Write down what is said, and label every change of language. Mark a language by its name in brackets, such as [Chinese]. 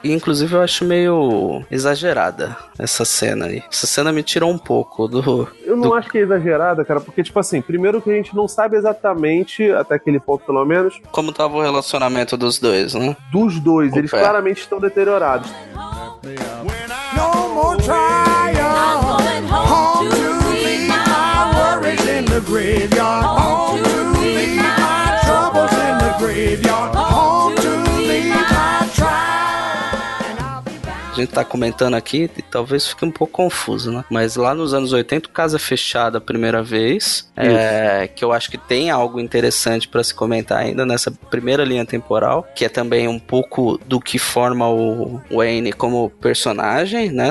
[Portuguese] E, inclusive, eu acho meio exagerada essa cena aí. Essa cena me tirou um pouco do... Eu não acho que é exagerada, cara, porque, tipo assim, primeiro que a gente não sabe exatamente, até aquele ponto pelo menos... Como tava o relacionamento dos dois, né? Dos dois, eles claramente estão deteriorados. [English] No more trying, home to leave my worries in the graveyard. Home to leave my troubles in the graveyard. [Portuguese] A gente tá comentando aqui, e talvez fique um pouco confuso, né? Mas lá nos anos 80, Casa Fechada, a primeira vez, que eu acho que tem algo interessante pra se comentar ainda nessa primeira linha temporal, que é também um pouco do que forma o Wayne como personagem, né?